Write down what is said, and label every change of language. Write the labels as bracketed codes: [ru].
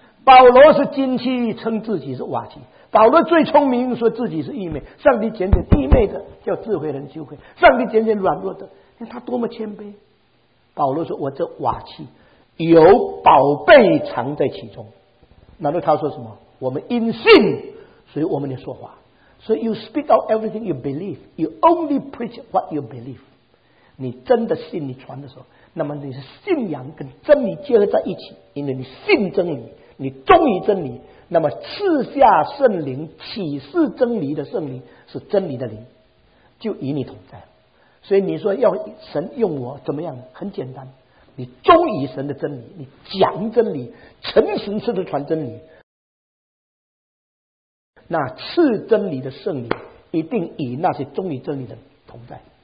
[zh] 保罗是金器，称自己是瓦器。保罗最聪明，说自己是愚昧。上帝拣选愚昧的，叫智慧人羞愧；上帝拣选软弱的，看他多么谦卑。保罗说：“我这瓦器有宝贝藏在其中。” 难道他说什么？我们因信，所以我们得说话。 [en] 所以 you speak out everything you believe, you only preach what you believe。 [zh] 你真的信，你传的时候，那么你是信仰跟真理结合在一起，因为你信真理，你忠于真理。那么赐下圣灵启示真理的圣灵是真理的灵，就与你同在。所以你说要神用我怎么样？很简单，你忠于神的真理，你讲真理，诚实实的传真理，那赐真理的圣灵一定与那些忠于真理的同在。